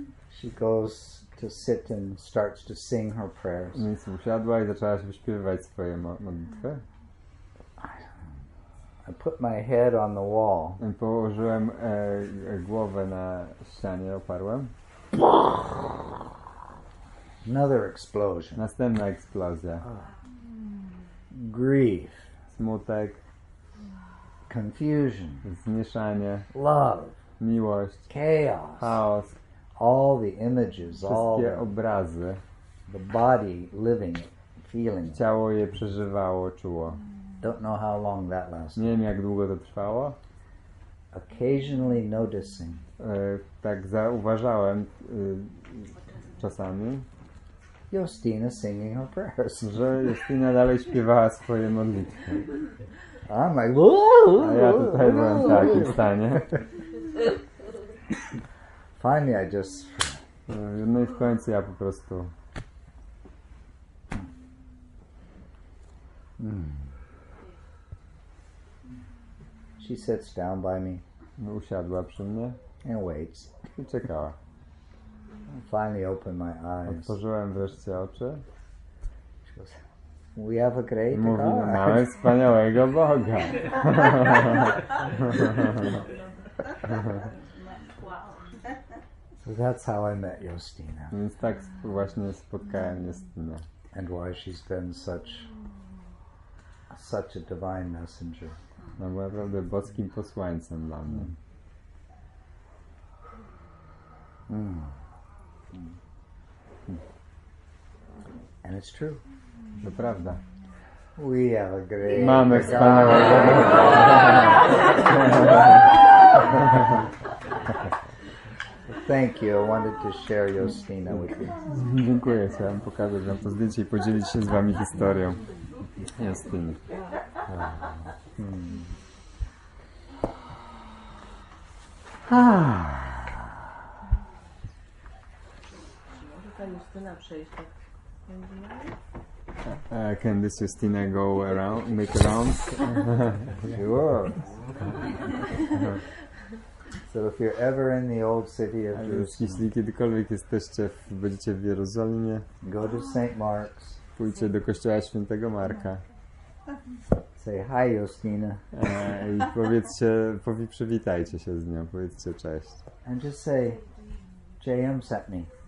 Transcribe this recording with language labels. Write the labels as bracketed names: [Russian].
[English] She goes to sit and starts to sing her prayers. [Polish] Więc usiadła i zaczęła się wyśpiewywać swoje modlitwy. [English] I put my head on the wall. [Polish] I położyłem głowę na ścianie, oparłem. [English] Another explosion. [Polish] Następna eksplozja. [English] Grief. [Polish] Smutek. [English] Confusion. [Polish] Zmieszanie. [English] Love. [Polish] Miłość. [English] Chaos. [Polish] Chaos. [English] All the images. [Polish] Wszystkie [English] all [Polish] obrazy. [English] The body living, feeling. [Polish] Ciało je przeżywało, czuło. [English] Don't know how long that lasted. [Polish] Nie wiem, jak długo to trwało. [English] Occasionally noticing. [Polish] Tak zauważałem czasami. [English] Justyna singing her prayers. [Polish] Że Justyna dalej śpiewała swoje modlitwy. [English] I'm like, woo! [Polish] A ja tutaj byłem w takim stanie. [English] Finally, I just. [Polish] No i w końcu ja po prostu. [English] She sits down by me. [Polish] Usiadła przy mnie. [English] And waits. [Polish] I czekała. [English] Finally opened my eyes. [Polish] Otworzyłem wreszcie oczy. [English] She goes, we have a great God. [Polish] Mówi, mamy wspaniałego Boga. [English] So that's how I met Justyna. [Polish] Więc tak właśnie spotkałem Justynę. [English] And why she's been such a divine messenger. [Polish] No, była naprawdę boskim posłańcem dla mnie. [English] And it's true. [Polish] To prawda. [English] We have a great. [Polish] Mamy wspaniałego. [English] Thank you. I wanted to share Justyna with you. [Polish] Dziękuję. Chciałem pokazać wam to zdjęcie i podzielić się z wami historią Justyny. Może ta Justyna przejść tak między nami? [English] Can this Justyna go around, make around? Sure. So if you're ever in the old city of Jerusalem, [Polish] jeśli kiedykolwiek jesteście, będziecie w Jerozolimie, [English] go to St. Mark's. [Polish] Pójdźcie do kościoła Świętego Marka. [English] Say hi, Justyna. [Polish] I powiedzcie, przywitajcie się z nią, powiedzcie cześć. [English] And just say, JM sent me.